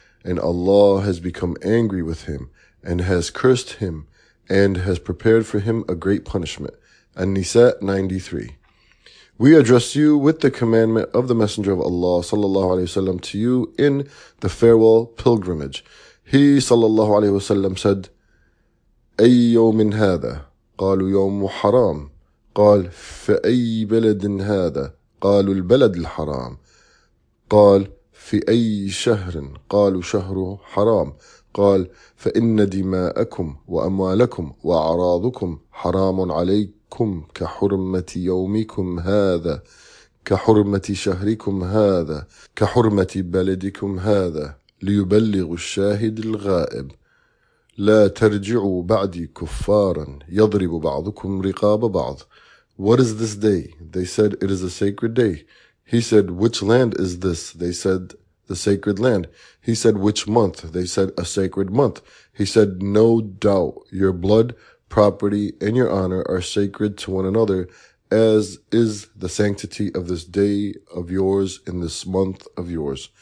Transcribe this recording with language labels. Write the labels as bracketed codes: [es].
[en] And Allah has become angry with him, and has cursed him, and has prepared for him a great punishment. An-Nisa 93. We address you with the commandment of the Messenger of Allah sallallahu alaihi wasallam to you in the farewell pilgrimage. He sallallahu alaihi wasallam said, [ar] أَيُّ مِنْ هَذَا؟ قَالُوا يَوْمُ حَرَامٍ. قَالْ فَأَيِّ بَلَدٍ هَذَا؟ قَالُوا الْبَلَدُ الْحَرَامُ. قَالْ فَأَيِّ شَهْرٍ؟ قَالُوا شَهْرُ حَرَامٍ. قال فإن دماءكم وأموالكم وأعراضكم حرام عليكم كحرمة يومكم هذا كحرمة شهركم هذا كحرمة بلدكم هذا ليبلغ الشاهد الغائب لا ترجعوا بعدي كفارا يضرب بعضكم رقاب بعض [en] What is this day? They said, it is a sacred day. He said, which land is this? They said, the sacred land. He said, which month? They said, a sacred month. He said, no doubt, your blood, property, and your honor are sacred to one another, as is the sanctity of this day of yours in this month of yours.